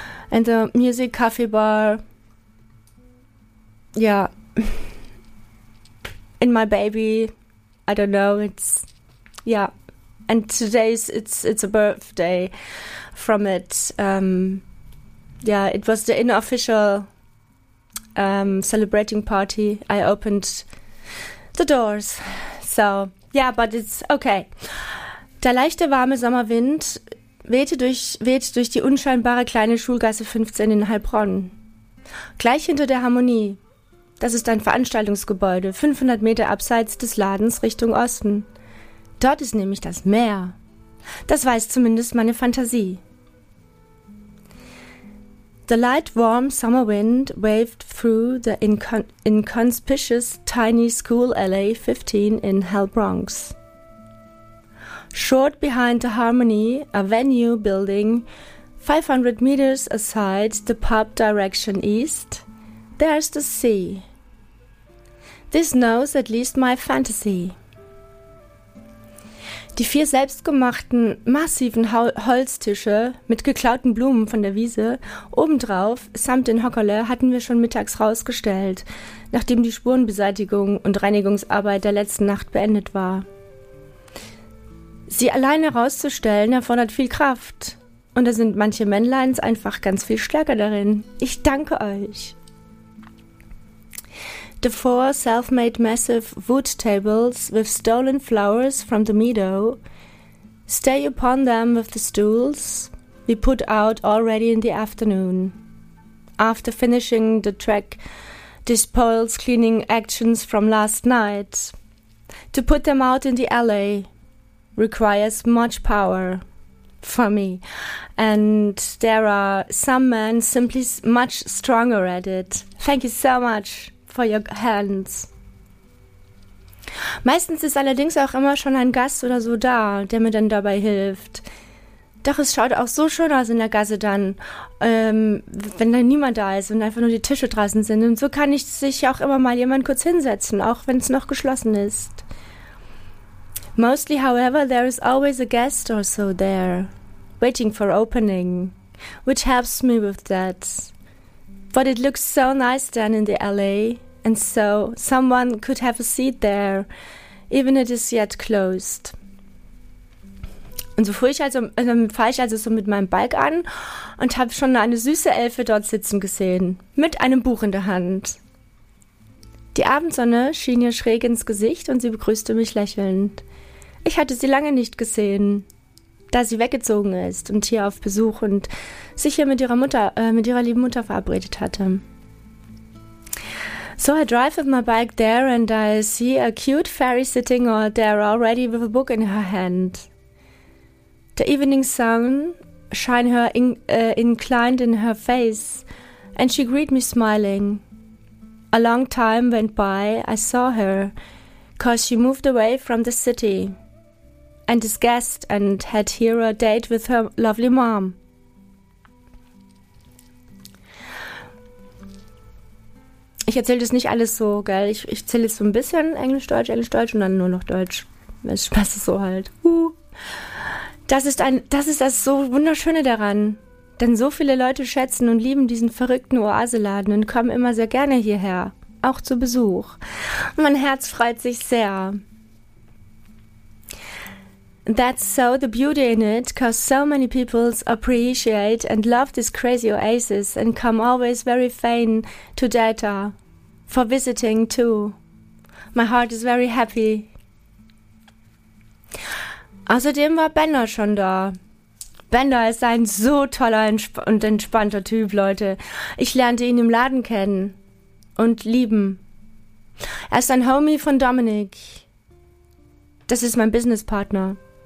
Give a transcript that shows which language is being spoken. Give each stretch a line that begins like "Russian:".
English: And the music coffee bar, yeah, in my baby, I don't know, it's, yeah, and today's, it's a birthday from it, yeah, it was the unofficial celebrating party, I opened the doors, so, yeah, but it's okay.
German: Der leichte, warme Sommerwind weht durch die unscheinbare kleine Schulgasse 15 in Heilbronn. Gleich hinter der Harmonie. Das ist ein Veranstaltungsgebäude, 500 Meter abseits des Ladens Richtung Osten. Dort ist nämlich das Meer. Das weiß zumindest meine Fantasie.
English: The light, warm summer wind waved through the inconspicuous tiny school LA 15 in Heilbronn. Short behind the Harmony, a venue building, 500 meters aside the pub direction east, there's the sea. This knows at least my fantasy.
German: Die 4 selbstgemachten, massiven Holztische mit geklauten Blumen von der Wiese, obendrauf samt den Hockerle, hatten wir schon mittags rausgestellt, nachdem die Spurenbeseitigung und Reinigungsarbeit der letzten Nacht beendet war. Sie alleine rauszustellen, erfordert viel Kraft. Und da sind manche Männleins einfach ganz viel stärker darin. Ich danke euch.
English: The 4 self-made massive wood tables with stolen flowers from the meadow. Stay upon them with the stools we put out already in the afternoon. After finishing the track, despoils cleaning actions from last night. To put them out in the alley requires much power for me, and there are some men simply much stronger at it. Thank you so much for your hands.
German: Meistens ist allerdings auch immer schon ein Gast oder so da, der mir dann dabei hilft. Doch es schaut auch so schön aus in der Gasse dann, wenn dann niemand da ist und einfach nur die Tische draußen sind. Und so kann ich sich auch immer mal jemand kurz hinsetzen, auch wenn es noch geschlossen ist.
English: Mostly, however, there is always a guest or so there, waiting for opening, which helps me with that. But it looks so nice down in the alley, and so someone could have a seat there, even if it is yet closed.
German: Und so fahre ich also so mit meinem Bike an und habe schon eine süße Elfe dort sitzen gesehen, mit einem Buch in der Hand. Die Abendsonne schien ihr schräg ins Gesicht und sie begrüßte mich lächelnd. Ich hatte sie lange nicht gesehen, da sie weggezogen ist und hier auf Besuch und sich hier mit ihrer lieben Mutter verabredet hatte.
English: So I drive with my bike there and I see a cute fairy sitting there already with a book in her hand. The evening sun shine her inclined in her face and she greeted me smiling. A long time went by, I saw her, 'cause she moved away from the city and is guest and had here a date with her lovely mom.
German: Ich erzähle das nicht alles so, gell? Ich erzähle jetzt so ein bisschen Englisch, Deutsch und dann nur noch Deutsch. Das Spaß ist so halt. Das ist das so Wunderschöne daran. Denn so viele Leute schätzen und lieben diesen verrückten Oaseladen und kommen immer sehr gerne hierher. Auch zu Besuch. Und mein Herz freut sich sehr.
English: That's so the beauty in it, 'cause so many people appreciate and love this crazy oasis and come always very fain to data for visiting too. My heart is very happy.
German: Außerdem war Bender schon da. Bender ist ein so toller und entspannter Typ, Leute. Ich lernte ihn im Laden kennen und lieben. Er ist ein Homie von Dominic. Das ist mein Businesspartner.